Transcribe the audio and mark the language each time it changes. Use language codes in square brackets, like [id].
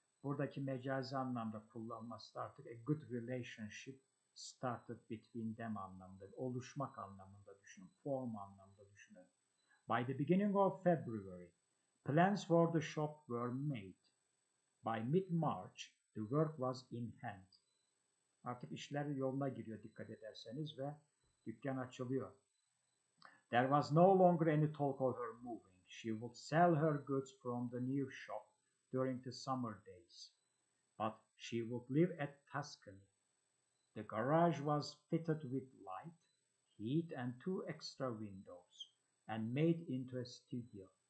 [tr] Buradaki mecazi anlamda kullanması da artık [en] a good relationship started between them [tr] anlamında. Oluşmak anlamında düşünün. Form anlamında düşünün. [en] By the beginning of February, plans for the shop were made. By mid-March, the work was in hand. [tr] Artık işler yoluna giriyor dikkat ederseniz ve dükkan açılıyor. [en] There was no longer any talk of her moving. She would sell her goods from the new shop during the summer days. But she would live at Tuscany. The garage was fitted with light, heat, and two extra windows, and made into a studio.